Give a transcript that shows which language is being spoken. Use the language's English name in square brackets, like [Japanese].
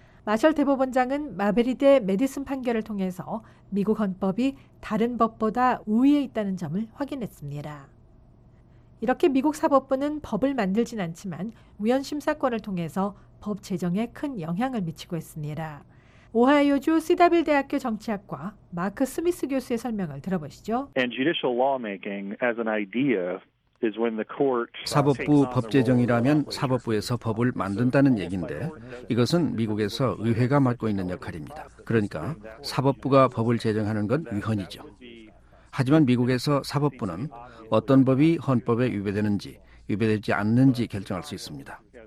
[Korean] 마셜 대법원장은 마베리 대 매디슨 판결을 통해서 미국 헌법이 다른 법보다 우위에 있다는 점을 확인했습니다. 이렇게 미국 사법부는 법을 만들진 않지만 위헌심사권을 통해서 법 제정에 큰 영향을 미치고 있습니다. 오하이오주 시다빌 대학교 정치학과 마크 스미스 교수의 설명을 들어보시죠. [English] And judicial lawmaking as an idea is when the court [Korean] 사법부 법제정이라면 사법부에서 법을 만든다는 얘긴데 이것은 미국에서 의회가 맡고 있는 역할입니다. 그러니까 사법부가 법을 제정하는 건 위헌이죠. 하지만 미국에서 사법부는 어떤 법이 헌법에 위배되는지 위배되지 않는지 결정할 수 있습니다.